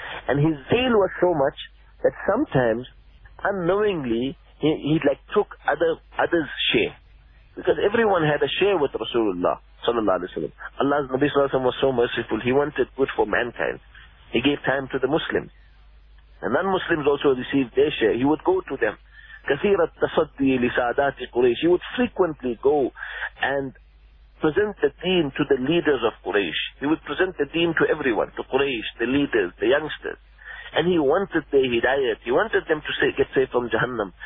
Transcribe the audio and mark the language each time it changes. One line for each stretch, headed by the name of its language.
English: And his zeal was so much that sometimes, unknowingly, he took others share. Because everyone had a share with Rasulullah sallallahu alayhi wa sallam. Allah's Nabi sallallahu alayhi wa sallam was so merciful. He wanted good for mankind. He gave time to the Muslims. And non-Muslims also received their share. He would go to them.
Arabic: كثير التصدي لسادات قريش.
English: He would frequently go and present the deen to the leaders of Quraysh. He would present the deen to everyone, to Quraysh, the leaders, the youngsters. And he wanted their hidayat. He wanted them to get saved from Jahannam.